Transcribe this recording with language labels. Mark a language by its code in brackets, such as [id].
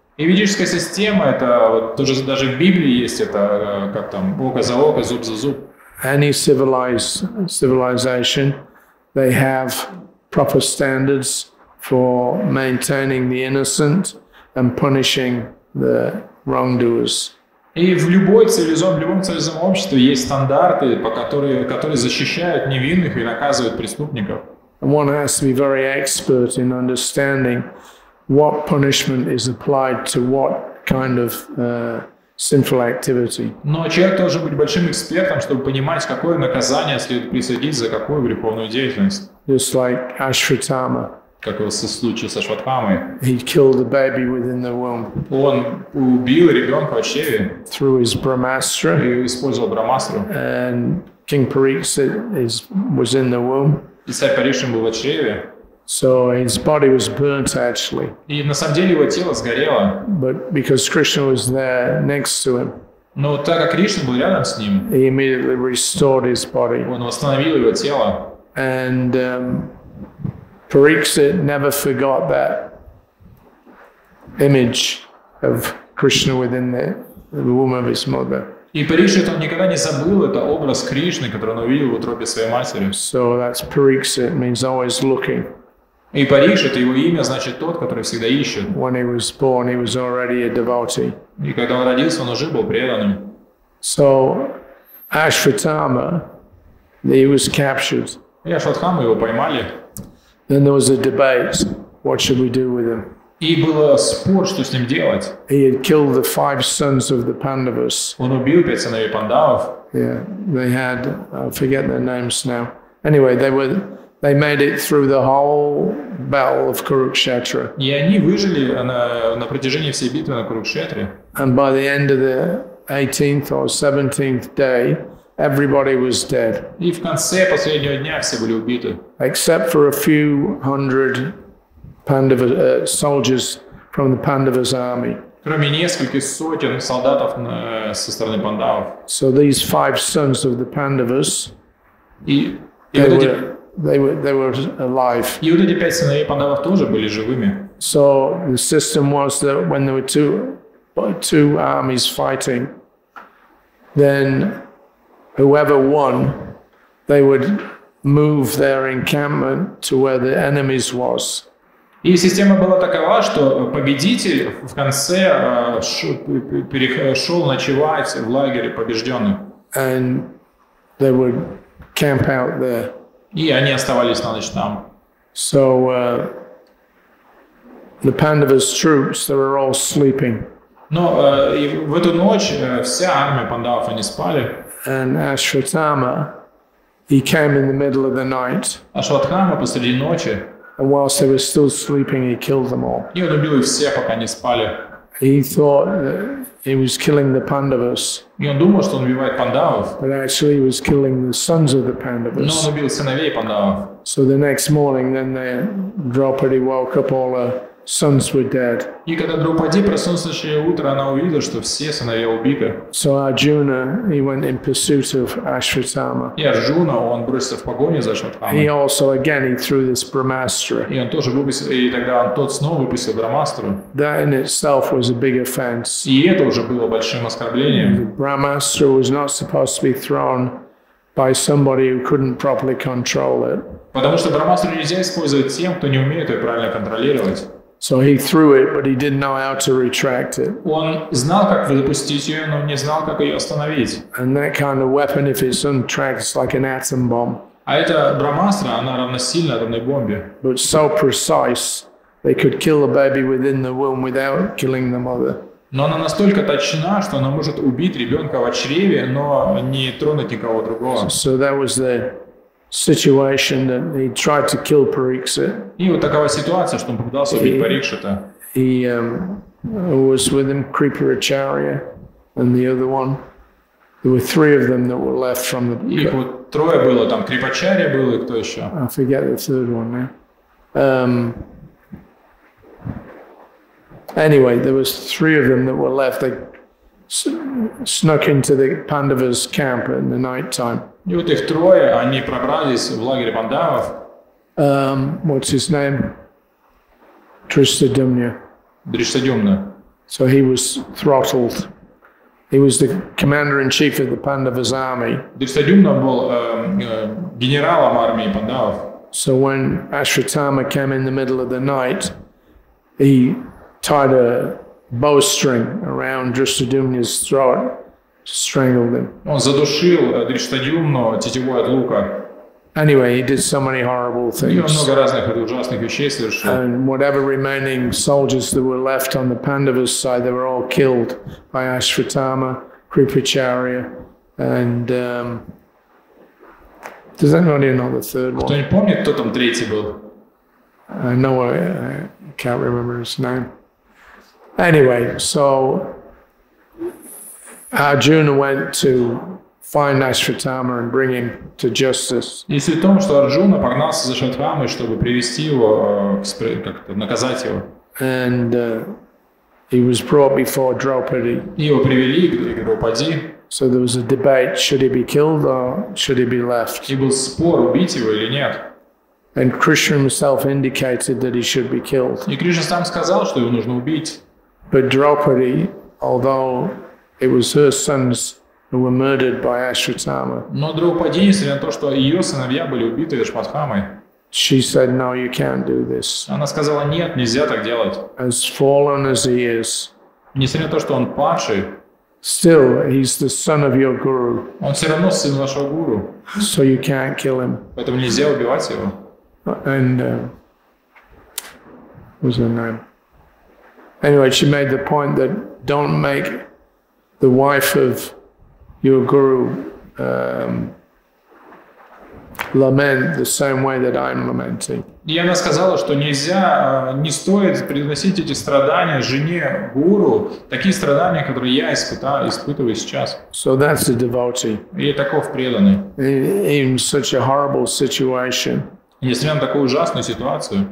[ru] И ведическая система, это тоже даже в Библии есть, это как там, око за око, зуб за зуб. [en] Any civilization, they have proper standards for maintaining the innocent and punishing the wrongdoers. [ru] И в любой цивилизованном обществе есть стандарты, которые защищают невинных и наказывают преступников. [en] And one has to be very expert in understanding what punishment is applied to what kind of sinful activity. [ru] Но человек должен быть большим экспертом, чтобы понимать, какое наказание следует присудить за какую греховную деятельность. [en] Just like Ashwatthama. [ru] Как в случае с Ашватхамой. [en] He killed a baby within the womb. [ru] Он убил ребенка в чреве. [en] Through his brahmastra. [ru] И использовал брахмастру. [en] And King Pariksit was in the womb. [ru] И царь Парикшит был в чреве. [en] So his body was burnt actually. [ru] И на самом деле его тело сгорело. [en] But because Krishna was there next to him. [ru] Но так как Кришна был рядом с ним. [en] He immediately restored his body. [ru] Он восстановил его тело. [en] And Pariksit never forgot that image of Krishna within the womb of his mother. [ru] И Парикшит никогда не забыл это образ Кришны, который он увидел в утробе своей матери. [en] So that's Pariksit, means always looking. [ru] И Парикшит, его имя значит тот, который всегда ищет. [en] When he was born, he was already a devotee. [ru] И когда он родился, он уже был преданным. [en] So Ашватама, he was captured. [ru] И Ашватхама его поймали. [en] Then there was a debate. What should we do with him? [ru] И было спор, что с ним делать. [en] He had killed the five sons of the Pandavas. [ru] Он убил пять сыновей Пандавов. [en] Yeah, they had, I forget their names now. Anyway, they made it through the whole battle of Kurukshetra. [ru] И они выжили на протяжении всей битвы на Курукшетре. [en] And by the end of the 18th or 17th day, everybody was dead. [ru] И в конце последнего дня все были убиты. [en] Except for a few hundred Pandava soldiers from the Pandavas army. [ru] Кроме нескольких сотен солдатов со стороны Пандавов. [en] So these five sons of the Pandavas, they were alive. [ru] И вот эти пять сыновей Пандавов тоже были живыми. [en] So the system was that when there were two armies fighting, then whoever won, they would move their encampment to where the enemies was. [ru] И система была такова, что победитель в конце перешел ночевать в лагере побежденных. [en] And they would camp out there. [ru] И они оставались на ночь там. [en] So the Pandavas troops, they were all sleeping. [ru] Но в эту ночь вся армия Пандавов, они спали. [en] And Ashwatthama, he came in the middle of the night. [ru] Ashwatthama посреди ночи. [en] And whilst they were still sleeping, he killed them all. [ru] И он убил их всех, пока они спали. [en] He thought that he was killing the Pandavas. [ru] И он думал, что он убивает Пандавов. [en] But actually, he was killing the sons of the Pandavas. [ru] Но он убил сыновей Пандавов. [en] So the next morning, then the Draupadi woke up, all her sons were dead. [ru] И когда Драупади проснулся еще утро, она увидела, что все сыновья убиты. [en] So Arjuna, he went in pursuit of Ashwatthama. [ru] И Арджуна, он бросился в погоню за Ашватхамой. [en] He also again he threw this Брамастра. [ru] И он тоже выпустил, и тогда он тот снова выпустил Брамастру. [en] That in itself was a big offense. [ru] И это уже было большим оскорблением. [en] The Brahmastra was not supposed to be thrown by somebody who couldn't properly control it. [ru] Потому что Брамастру нельзя использовать тем, кто не умеет ее правильно контролировать. [en] So he threw it, but he didn't know how to retract it. [ru] Он знал, как выпустить ее, но не знал, как ее остановить. [en] And that kind of weapon, if it's untracked, it's like an atom bomb. [ru] А эта Брамастра, она равносильна атомной бомбе. [en] But so precise, they could kill a baby within the womb without killing the mother. [ru] Но она настолько точна, что она может убить ребенка в чреве, но не тронуть никого другого. [en] So that was the situation that he tried to kill Parikshit. [ru] И вот такова ситуация, что он попытался убить Парикшита. [en] He was with him, Крипарачарья and the other one. There were three of them that were left from the. [ru] Их вот трое было там, Крипачарья был и кто еще? [en] I forget the third one now. Anyway, there was three of them that were left. They snuck into the Pandavas' camp in the night time. [ru] И вот их трое, они пробрались в лагерь Пандавов. [en] What's his name? Дриштадюмна. [ru] Дриштадюмна. [en] So he was throttled. He was the commander-in-chief of the Pandavas army. [ru] Дриштадюмна был генералом армии Пандавов. [en] So when Ashwatthama came in the middle of the night, he tied a bowstring around Дриштадюмна's throat. Strangled him. [ru] Он задушил Дриштадюмну тетивой от лука. [en] Anyway, he did so many horrible things. [ru] И он много разных ужасных вещей совершил. [en] And whatever remaining soldiers that were left on the Pandavas side, they were all killed by Ashwatthama, Kripacharya, and does anybody know the third one? [ru] Кто не помнит, кто там третий был? [en] I can't remember his name. Anyway, so Arjuna went to find Ashwatthama and bring him to justice. [ru] И суть в том, что Арджуна погнался за Ашватхамой, чтобы привести его, как-то наказать его. [en] And he was brought before Draupadi. [ru] Его привели к Драупади. [en] So there was a debate: should he be killed or should he be left? [ru] И был спор, убить его или нет. [en] And Krishna himself indicated that he should be killed. [ru] И Кришна сам сказал, что его нужно убить. [en] But Draupadi, although it was her sons who were murdered by Ashwatthama. [ru] Но Драупади, несмотря на то, что ее сыновья были убиты Ашватхамой. [en] She said, "No, you can't do this." [ru] Она сказала, нет, нельзя так делать. [en] As fallen as he is. [ru] Несмотря на то, что он падший. [en] Still, he's the son of your guru. [ru] Он все равно сын нашего гуру. [en] So you can't kill him. [ru] Поэтому нельзя убивать его. [en] And what's her name? Anyway, she made the point that don't make the wife of your guru lament the same way that I'm lamenting. [ru] И она сказала, что нельзя, не стоит приносить эти страдания жене гуру, такие страдания, которые я испытываю сейчас. [en] So that's a devotee. [ru] И таков преданный. [en] In such a horrible situation. [ru] Несмотря на такую ужасную ситуацию.